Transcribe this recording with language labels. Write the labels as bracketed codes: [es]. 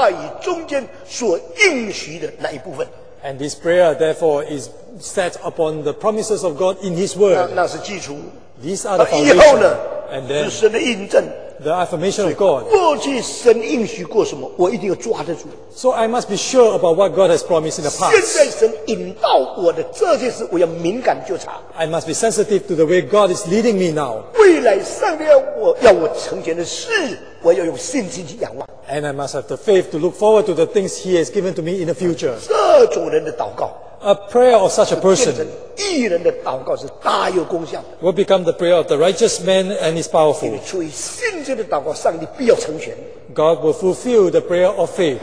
[zh] 这样那个祷告是建立在神所启示的话语中间所应许的那一部分。 [en] And this prayer, therefore, is set upon the promises of God in His word. [zh] 那是基础。 [en] These are the foundation. And then, [zh] 是神的印证, [en] the affirmation of God. [zh] 过去神应许过什么, [en] so I must be sure about what God has promised in the past. [zh] 现在神引导我的这些事, [en] I must be sensitive to the way God is leading me now. [zh] 未来上帝要我成全的事, [en] and I must have the faith to look forward to the things He has given to me in the future. [zh] 这种人的祷告, [en] a prayer of such a person will become the prayer of the righteous man and is powerful. God will fulfill the prayer of faith.